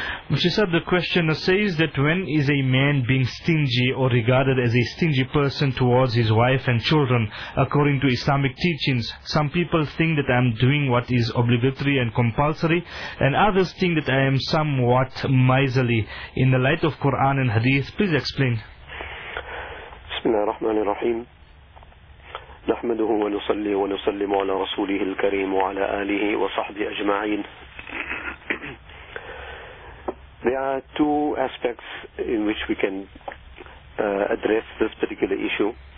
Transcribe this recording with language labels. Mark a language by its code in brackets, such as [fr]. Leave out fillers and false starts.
[en] Mufti Sahab, the questioner says that when is a man being stingy or regarded as a stingy person towards his wife and children according to Islamic teachings? Some people think that I am doing what is obligatory and compulsory, and others think that I am somewhat miserly. In the light of Quran and Hadith, please explain. [ar] Bismillah ar-Rahman ar-Rahim. نحمده ونصلي ونسلم على رسوله الكريم وعلى آله وصحبه أجمعين. [en] There are two aspects in which we can address this particular issue.